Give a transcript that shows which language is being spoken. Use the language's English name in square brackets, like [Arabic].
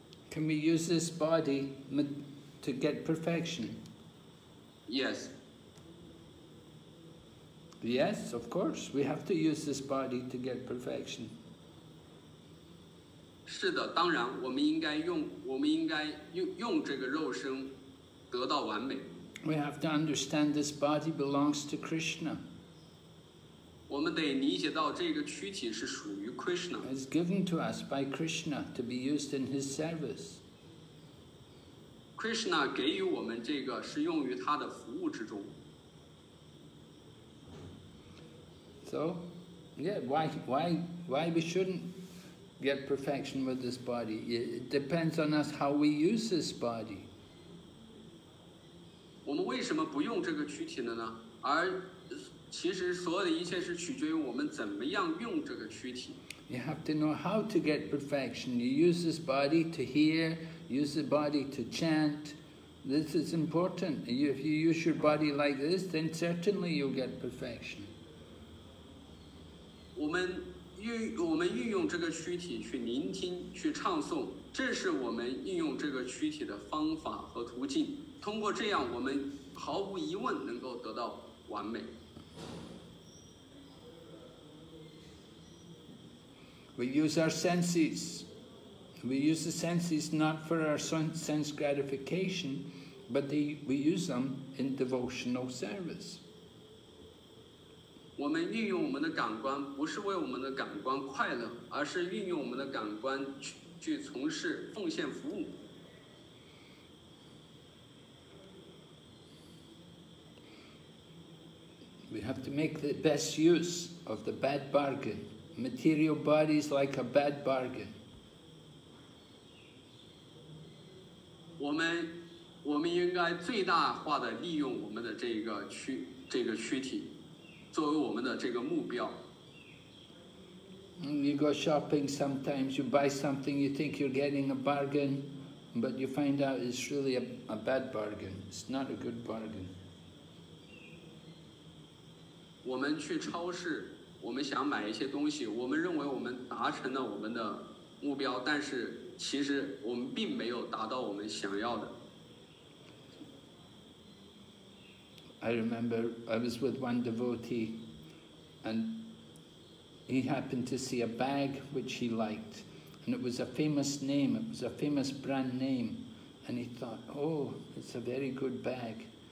[English] Can we use this body to get perfection? Yes. Yes, of course. We have to use this body to get perfection. [Chinese] 是的，当然，我们应该用这个肉身得到完美。 [English] We have to understand this body belongs to Krishna. [Chinese] 我们得理解到这个躯体是属于 Krishna. [English] It's given to us by Krishna to be used in his service. [Chinese] Krishna 给予我们这个是用于他的服务之中。 [English] So, yeah, why we shouldn't get perfection with this body? It depends on us how we use this body. [Chinese] 我们为什么不用这个躯体的呢？而其实所有的一切是取决于我们怎么样用这个躯体。 [English] You have to know how to get perfection. You use this body to hear, use the body to chant. This is important. If you use your body like this, then certainly you'll get perfection. [Chinese] 我们运用这个躯体去聆听、去唱诵，这是我们运用这个躯体的方法和途径。通过这样，我们毫无疑问能够得到完美。 [English] We use our senses. We use the senses not for our sense gratification, but we use them in devotional service. [Chinese] 我们运用我们的感官，不是为我们的感官快乐，而是运用我们的感官去从事奉献服务。 [English] We have to make the best use of the bad bargain. Material body is like a bad bargain. [Chinese] 我们应该最大化的利用我们的这个躯体作为我们的这个目标。 [English] You go shopping sometimes, you buy something, you think you're getting a bargain, but you find out it's really a bad bargain. It's not a good bargain. [Chinese] 我们去超市，我们想买一些东西，我们认为我们达成了我们的目标，但是其实我们并没有达到我们想要的。 [English] I remember I was with one devotee, and he happened to see a bag which he liked, and it was a famous name, it was a famous brand name, and he thought, oh, it's a very good bag.